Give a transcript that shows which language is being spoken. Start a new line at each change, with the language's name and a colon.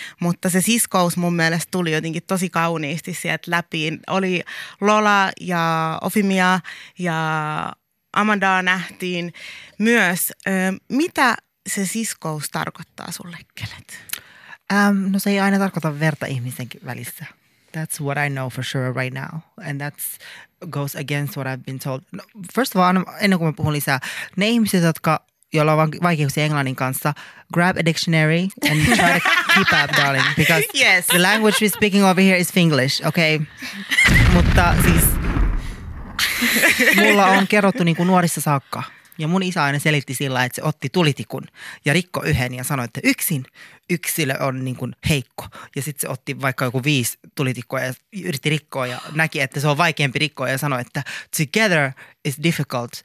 Finnish: Mutta se siskous mun mielestä tuli jotenkin tosi kauniisti sieltä läpi. Oli Lola ja Ofimia ja Amandaa nähtiin myös. Mitä se siskous tarkoittaa sulle, Kelet? No se ei aina tarkoita verta ihmisten välissä.
English: That's what I know for sure right now. And that goes against what I've been told. No, first of all,
Finnish: ennen kuin mä puhun lisää. Ne ihmiset, joilla on vaikeuksia englannin kanssa,
English: grab a dictionary and try to keep up, darling. Because yes, the language we're speaking over here is Finglish, okay?
Finnish: Mutta siis mulla on kerrottu niin kuin nuorissa saakka. Ja mun isä aina selitti sillä, että se otti tulitikun ja rikko yhden ja sanoi, että yksin yksilö on niin kuin heikko. Ja sitten se otti vaikka joku 5 tulitikkoa ja yritti rikkoa ja näki, että se on vaikeampi rikkoa ja sanoi, että
English: together is difficult.